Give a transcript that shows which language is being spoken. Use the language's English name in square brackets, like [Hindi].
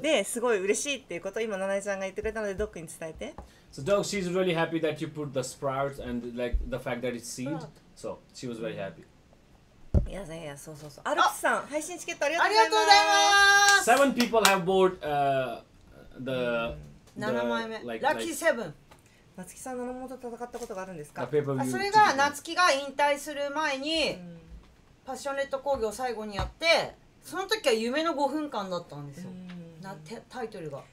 [Japanese] で、すごい嬉しいっていうことを今ナナエちゃんが言ってくれたので、ドッグに伝えて。 [English] So dog, she's really happy that you put the sprouts and like the fact that it's seed. So she was very happy. [Japanese] いや、そうアルプスさん、配信チケットありがとうございます。 [English] 7 people have bought the [Japanese] 7枚目 [English] Lucky 7。 [Japanese] 夏希さん、野々本と戦ったことがあるんですか。それが夏希が引退する前にパッションレッド工業を最後にやって、その時は夢の5分間だったんですよ、タイトルが。